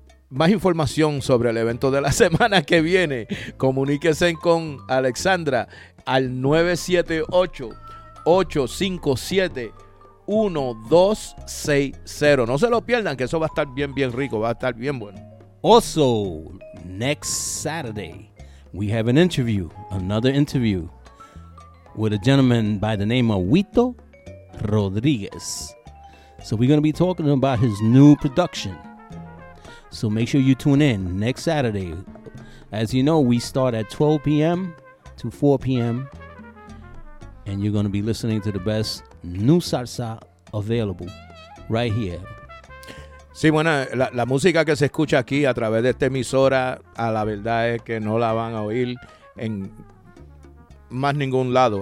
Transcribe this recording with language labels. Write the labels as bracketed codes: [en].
[es] Más información sobre el evento de la semana que viene, comuníquese con Alexandra al 978-857-1260. No se lo pierdan, que eso va a estar bien, bien rico, va a estar bien bueno. [en] Also, next Saturday, we have an interview, another interview, with a gentleman by the name of Huito Rodriguez. So we're going to be talking about his new production. So make sure you tune in next Saturday. As you know, we start at 12 p.m. to 4 p.m. And you're going to be listening to the best new salsa available right here. [es] Sí, bueno, la música que se escucha aquí a través de esta emisora, a la verdad es que no la van a oír en más ningún lado.